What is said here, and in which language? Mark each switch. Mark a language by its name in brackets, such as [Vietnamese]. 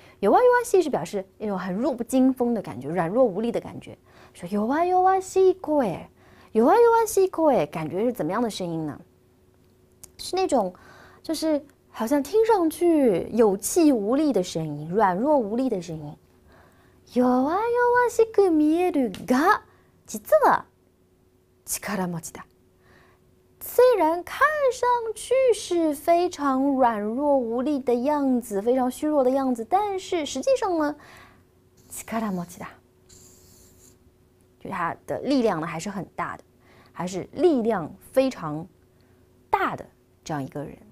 [Chinese] 弱弱しい是表示那种很弱不禁风的感觉，软弱无力的感觉。说弱弱しい声，弱弱しい声，感觉是怎么样的声音呢？是那种，就是好像听上去有气无力的声音，软弱无力的声音。 [Japanese] 弱弱しく見えるが、実は力持ちだ。 [Chinese] 虽然看上去是非常软弱无力的样子，非常虚弱的样子，但是实际上呢，力持ちだ，就他的力量呢还是很大的，还是力量非常大的这样一个人。